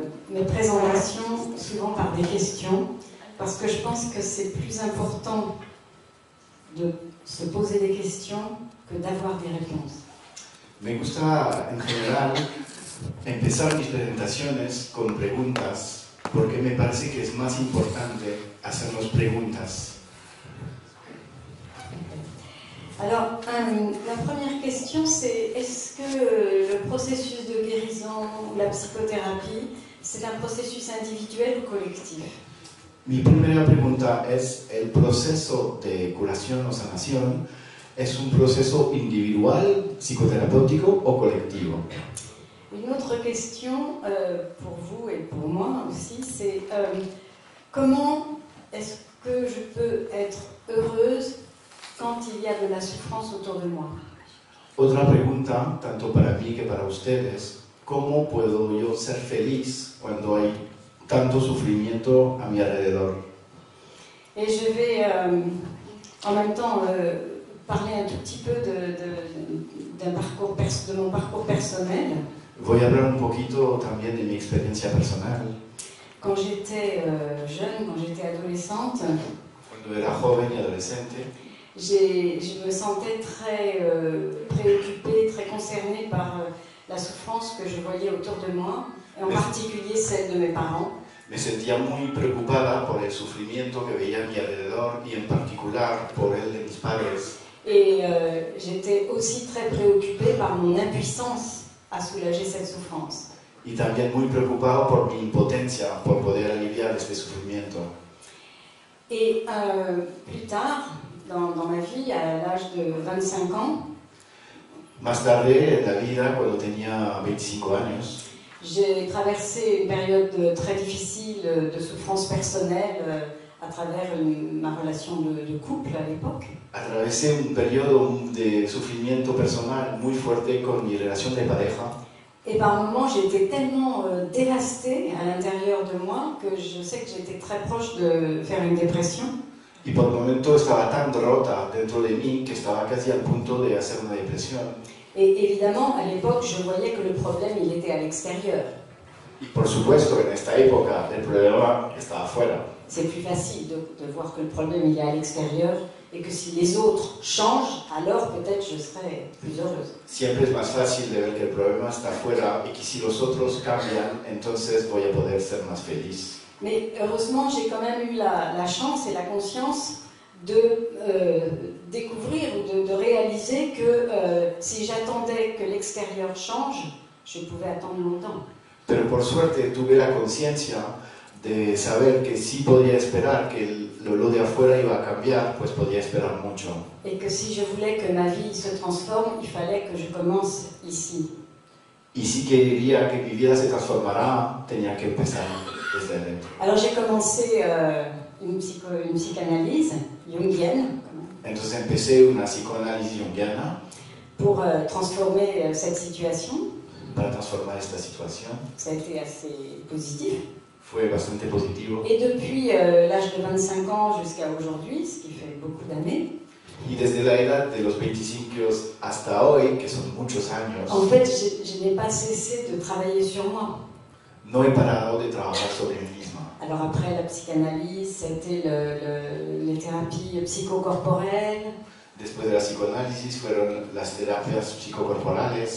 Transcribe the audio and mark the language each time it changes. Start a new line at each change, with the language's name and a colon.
French: Mes présentations souvent par des questions parce que je pense que c'est plus important de se poser des questions que d'avoir des réponses.
Spanish: Me gusta en general empezar mis presentaciones con preguntas, porque me parece que es más importante hacernos preguntas.
French: Alors, la première question, c'est est-ce que le processus de guérison ou la psychothérapie, c'est un processus individuel ou collectif?
Spanish: Mi primera pregunta es, ¿el proceso de curación o sanación es un proceso individual, psicoterapéutico o colectivo?
French: Une autre question pour vous et pour moi aussi, c'est comment est-ce que je peux être heureuse quand il y a de la souffrance autour de moi?
Spanish: Otra pregunta, tanto para mí que para ustedes, ¿cómo puedo yo ser feliz cuando hay tanto sufrimiento a mi alrededor?
French: Et je vais en même temps parler un tout petit peu de mon parcours personnel.
Spanish: Voy a hablar un poquito también de mi experiencia personal.
French: Quand j'étais jeune, quand j'étais adolescente,
Spanish: cuando era joven y adolescente,
French: je me sentais très préoccupée, très concernée par la souffrance que je voyais autour de moi, et en particulier celle de mes parents.
Spanish: Me sentía muy preocupada por el sufrimiento que veía a mi alrededor y en particular por el de mis padres.
French: Et j'étais aussi très préoccupée par mon impuissance à soulager cette souffrance.
Spanish: Y también muy preocupado por mi impotencia por poder aliviar este sufrimiento.
French: Et plus tard, dans ma vie, à l'âge de 25 ans,
Spanish: más tarde en la vida, cuando tenía 25 años,
French: j'ai traversé une période très difficile de souffrance personnelle à travers ma relación de couple à l'époque.
Spanish: Atravesé un periodo de sufrimiento personal muy fuerte con mi relación de pareja.
French: Et par moments, j'étais tellement dévastée à l'intérieur de moi que je sais que j'étais très proche de faire une dépression.
Spanish: Y por momentos estaba tan rota dentro de mí que estaba casi al punto de hacer una depresión.
French: Et évidemment, à l'époque, je voyais que le problème, il était à l'extérieur.
Spanish: Y por supuesto, en esta época, el problema estaba fuera.
French: C'est plus facile de voir que le problème, il est à l'extérieur, et que si les autres changent, alors peut-être je serai plus heureuse.
Spanish: Siempre es más fácil de ver que el problema está fuera, y que si los otros cambian, entonces voy a poder ser más feliz.
French: Mais heureusement, j'ai quand même eu la chance et la conscience de découvrir ou de réaliser que si j'attendais que l'extérieur change, je pouvais attendre longtemps.
Spanish: Pero por suerte tuve la conciencia de saber que si podía esperar que lo de afuera iba a cambiar, pues podía esperar mucho.
French: Et que si je voulais que ma vie se transforme, il fallait que je commence ici.
Spanish: Y si quería que mi vida se transformara, tenía que empezar desde dentro.
French: Alors j'ai commencé une psychanalyse jungienne.
Spanish: Entonces empecé una psicoanálisis junguiana
French: pour transformer cette situation.
Spanish: Para transformar esta situación.
French: Ça a été assez positif.
Spanish: Fue bastante positivo.
French: Et depuis l'âge de 25 ans jusqu'à aujourd'hui, ce qui fait beaucoup d'années.
Spanish: Y desde la edad de los 25 hasta hoy, que son muchos años.
French: En fait, je n'ai pas cessé de travailler sur moi.
Spanish: No he parado de trabajar sobre mí misma.
French: Alors après la psychanalyse, c'était les thérapies psychocorporelles.
Spanish: Después de la psicoanálisis fueron las terapias psicocorporales.